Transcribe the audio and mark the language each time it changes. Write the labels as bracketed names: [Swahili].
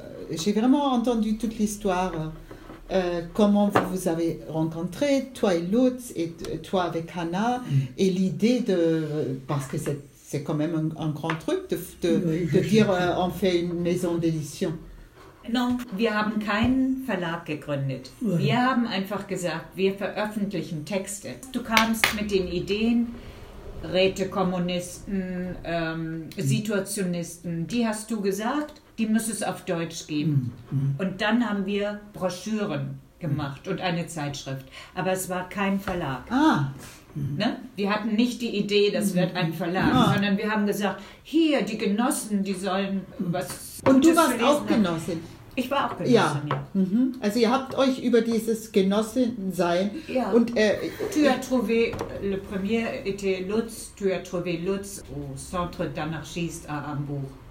[French] J'ai vraiment entendu toute l'histoire. Comment vous avez rencontré, toi et Lutz, et toi avec Hannah, et l'idée de, parce que c'est quand même un grand truc, de dire on fait une maison d'édition. [German] Non, wir haben keinen Verlag gegründet. Wir haben einfach gesagt, wir veröffentlichen Texte. Du kamst mit den Ideen, Rätekommunisten, Situationisten, die hast du gesagt, die muss es auf Deutsch geben. Und dann haben wir Broschüren gemacht und eine Zeitschrift. Aber es war kein Verlag. Ah. Ne? Wir hatten nicht die Idee, das wird ein Verlag, sondern wir haben gesagt, hier, die Genossen, die sollen was. Und du warst auch Genossin. Ich war auch Genossin. Ja. Mhm. Also ihr habt euch über dieses Genossensein. Ja. Und [French] tu as trouvé le premier été Lutz, tu as trouvé Lutz au centre d'anarchiste à Hambourg.